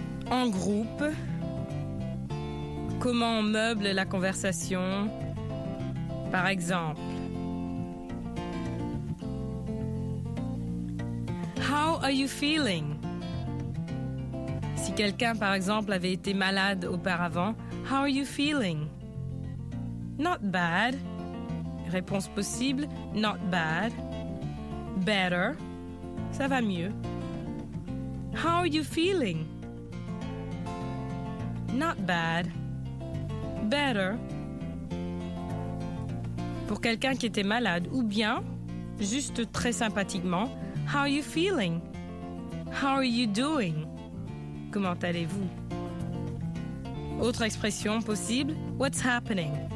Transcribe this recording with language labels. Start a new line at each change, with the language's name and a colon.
French: En groupe, comment on meuble la conversation? Par exemple,
English: how are you feeling?
French: Si quelqu'un, par exemple, avait été malade auparavant,
English: how are you feeling? Not bad.
French: Réponse possible,
English: not bad. Better.
French: Ça va mieux.
English: How are you feeling? Not bad. Better.
French: Pour quelqu'un qui était malade, ou bien, juste très sympathiquement,
English: how are you feeling? How are you doing?
French: Comment allez-vous? Autre expression possible,
English: what's happening?